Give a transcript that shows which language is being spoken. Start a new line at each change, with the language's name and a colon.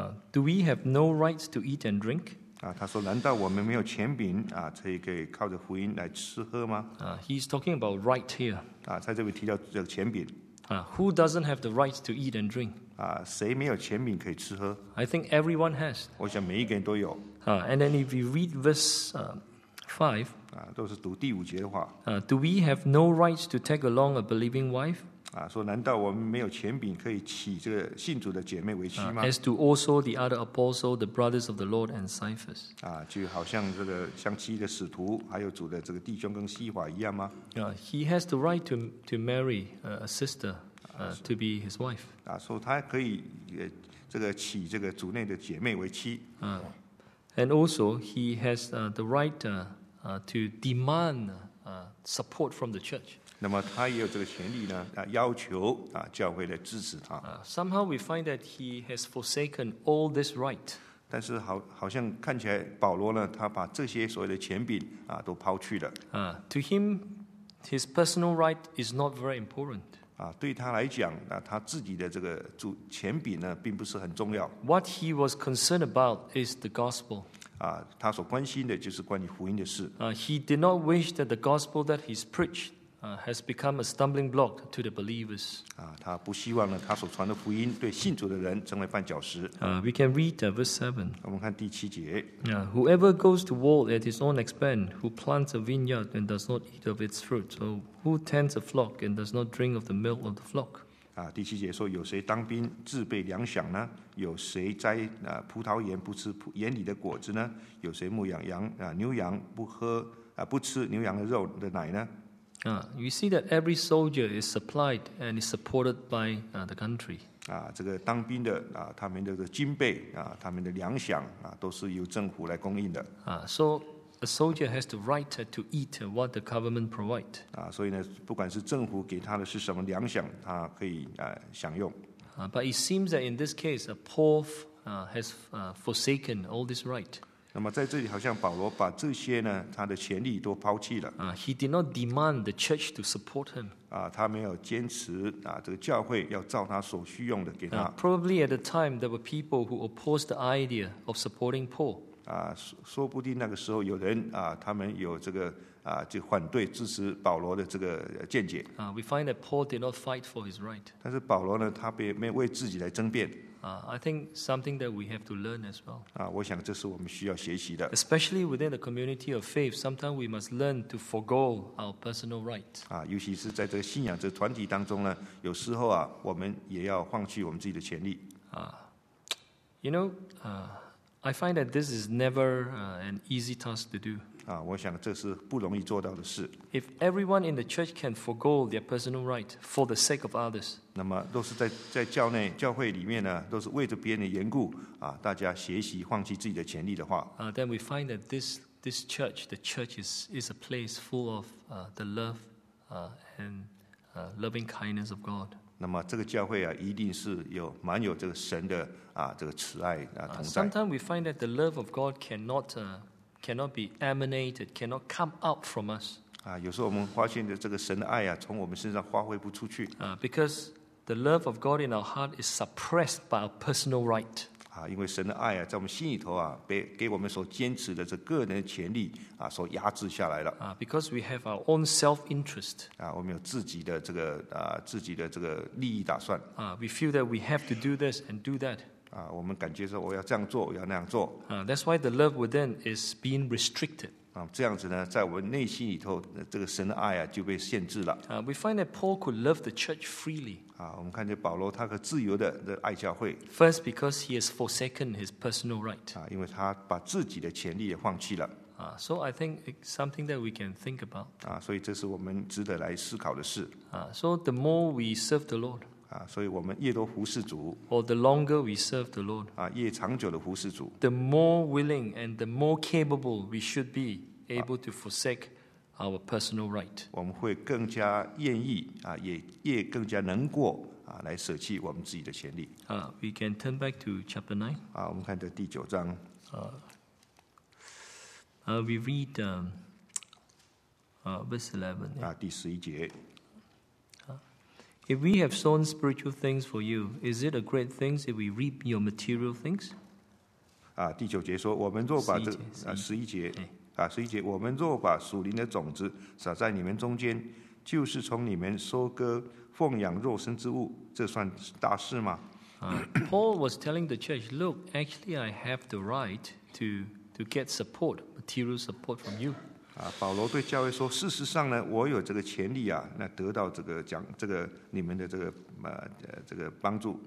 English: Do we have no rights to eat and drink?
Chinese: 他说：“难道我们没有权柄可以靠着福音来吃喝吗？”
English: He's talking about right here.
Chinese: 在这边提到这个权柄。
English: Who doesn't have the right to eat and drink?
Chinese: 谁没有权柄可以吃喝？
English: I think everyone has.
Chinese: 我想每一个人都有。
English: And then if you read verse 5,
Chinese: 都是读第五节的话。
English: Do we have no rights to take along a believing wife?
Chinese: 说难道我们没有权柄可以娶这个信主的姐妹为妻吗？
English: As do also the other apostles, the brothers of the Lord and Cephas.
Chinese: 就好像这个像七的使徒，还有主的这个弟兄跟西华一样吗？
English: He has the right to marry a sister to be his wife.
Chinese: 说他可以这个娶这个主内的姐妹为妻。
English: And also he has the right to demand support from the church.
Chinese: 那么他也有这个权利呢，要求教会来支持他。
English: Somehow we find that he has forsaken all this right.
Chinese: 但是好像看起来保罗呢，他把这些所谓的权柄都抛去了。
English: To him, his personal right is not very important.
Chinese: 对他来讲，他自己的这个权柄呢，并不是很重要。
English: What he was concerned about is the gospel.
Chinese: 他所关心的就是关于福音的事。
English: He did not wish that the gospel that he's preached. Has become a stumbling block to the believers.
Chinese: 他不希望呢，他所传的福音对信主的人成为绊脚石。
English: We can read verse 7.
Chinese: 我们看第七节。
English: Whoever goes to war at his own expense, who plants a vineyard and does not eat of its fruit, or who tends a flock and does not drink of the milk of the flock.
Chinese: 第七节说，有谁当兵自备粮饷呢？有谁摘葡萄园不吃园里的果子呢？有谁牧养羊牛羊不吃牛羊的肉的奶呢？
English: You see that every soldier is supplied and is supported by the country.
Chinese: 这个当兵的他们的军备他们的粮饷都是由政府来供应的。
English: So a soldier has the right to eat what the government provides.
Chinese: 所以呢，不管是政府给他的是什么粮饷，他可以享用。
English: But it seems that in this case, a Paul has forsaken all this right.
Chinese: 那么在这里，好像保罗把这些呢，他的权利都抛弃了。
English: He did not demand the church to support him.
Chinese: 他没有坚持这个教会要照他所需用的给他。
English: Probably at the time there were people who opposed the idea of supporting Paul.
Chinese: 说不定那个时候有人他们有这个就反对支持保罗的这个见解。
English: We find that Paul did not fight for his right.
Chinese: 但是保罗呢，他没有为自己来争辩。
English: I think something that we have to learn as well.
Chinese: 我想这是我们需要学习的。
English: Especially within the community of faith, sometimes we must learn to forego our personal right.
Chinese: 尤其是在这个信仰这个团体当中呢，有时候啊，我们也要放弃我们自己的权利。
English: You know, I find that this is never an easy task to do.
Chinese: 我想这是不容易做到的事。
English: If everyone in the church can forego their personal right for the sake of others,
Chinese: 那么都是 在教内教会里面呢，都是为着别人的缘故大家学习放弃自己的权利的话
English: then we find that this church, the church is a place full of the love and loving kindness of God.
Chinese: 那么这个教会啊，一定是有蛮有这个神的这个慈爱同在。
English: Sometimes we find that the love of God cannot be emanated, cannot come out from us.
Chinese: 有时候我们发现的这个神的爱啊，从我们身上发挥不出去。
English: Because the love of God in our heart is suppressed by our personal right.
Chinese: 因为神的爱啊，在我们心里头啊，被给我们所坚持的这个人的权利所压制下来了。
English: Because we have our own self-interest.
Chinese: 我们有自己的这个自己的这个利益打算。
English: We feel that we have to do this and do that.
Chinese: 我们感觉说我要这样做，我要那样做。
English: That's why the love within is being restricted.
Chinese: 这样子呢，在我们内心里头，这个神的爱啊就被限制了。
English: We find that Paul could love the church freely.
Chinese: 我们看见保罗他可自由的爱教会。
English: First, because he has forsaken his personal right.
Chinese: 因为他把自己的权利也放弃了。
English: So I think it's something that we can think about.
Chinese: 所以这是我们值得来思考的事。
English: So the more we serve the Lord.
Chinese: 所以我们越多服侍主。
English: Or the longer we serve the Lord.
Chinese: 越长久的服侍主。
English: The more willing and the more capable we should be able to forsake our personal right.
Chinese: 我们会更加愿意也越更加能够来舍弃我们自己的权利。
English: We can turn back to chapter 9.
Chinese: 我们看这第九章。
English: We read verse 11.
Chinese: 第十一节。
English: If we have sown spiritual things for you, is it a great thing if we reap your material things?
Chinese: 第九节说，我们若把这十一节十一节，我们若把属灵的种子撒在你们中间，就是从你们收割奉养肉身之物，这算大事吗？
English: Paul was telling the church, look, actually, I have the right to get support, material support from you.
Chinese: 保罗对教会说，事实上呢，我有这个权利那得到这个奖，这个你们的这个这个帮助。